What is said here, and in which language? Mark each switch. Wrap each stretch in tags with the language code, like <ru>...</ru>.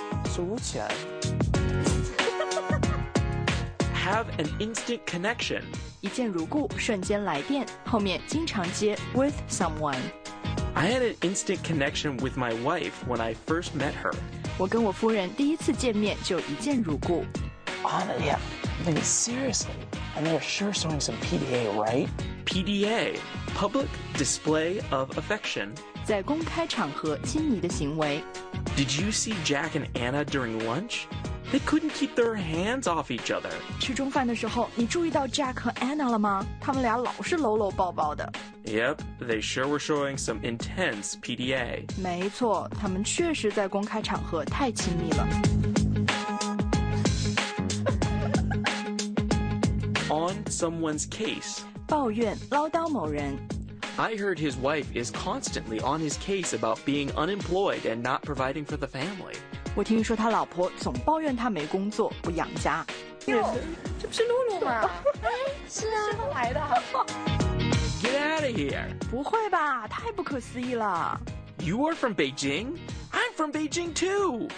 <en>So, Wuqian, have an instant connection.</en> <zh>一见如故，瞬间来电，后面经常接</zh> <en>with someone. I had an instant connection with my wife when I first met her.</en> <zh>我跟我夫人第一次见面就一见如故。</zh> <en>Yeah, I mean, seriously, I mean, you're sure showing some PDA, right? PDA, public display of affection.</en> <zh>在公开场合亲昵的行为。</zh> <en>Did you see Jack and Anna during lunch? They couldn't keep their hands off each other.</en> <zh>吃中饭的时候，你注意到 Jack 和 Anna 了吗？他们俩老是搂搂抱抱的。</zh> <en>Yep, they sure were showing some intense PDA.</en> <zh>没错，他们确实在公开场合太亲密了。</zh> <en>On someone's case.</en> <zh>抱怨，唠叨某人。</zh> <en>I heard his wife is constantly on his case about being unemployed and not providing for the family.</en> <zh>我听说他老婆总抱怨他没工作，不养家。哟，这不是露露吗？是啊，是他来的。</zh> <en>Get out of here!</en> <zh>不会吧，太不可思议了。</zh> <en>You are from Beijing? I'm from Beijing too!</en>